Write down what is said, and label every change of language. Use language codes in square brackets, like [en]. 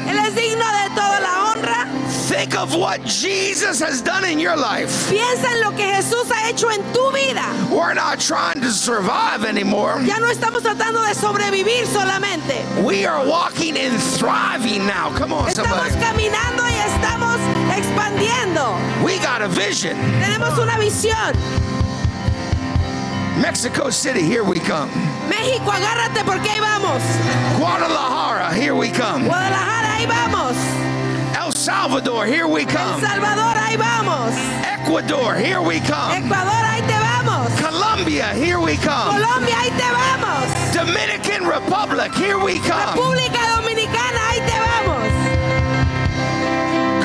[es] Él es digno de toda la honra. [en] Think of what Jesus has done in your life. [es] Piensa en lo que Jesús ha hecho en tu vida. [en] We're not trying to survive anymore. [es] Ya no estamos tratando de sobrevivir solamente. [en] We are walking and thriving now. Come on, [es] estamos [en] somebody. [es] Estamos caminando y estamos expandiendo. [en] We got a vision. [es] Tenemos una visión. [en] Mexico City, here we come. [es] México, agárrate porque ahí vamos. [en] Guadalajara, here we come. [es] Guadalajara, ahí vamos. [en] El Salvador, here we come. [es] El Salvador, ahí vamos. [en] Ecuador, here we come. [es] Ecuador, ahí te vamos. [en] Colombia, here we come. [es] Colombia, ahí te vamos. [en] Dominican Republic, here we come. [es] República Dominicana, ahí te vamos.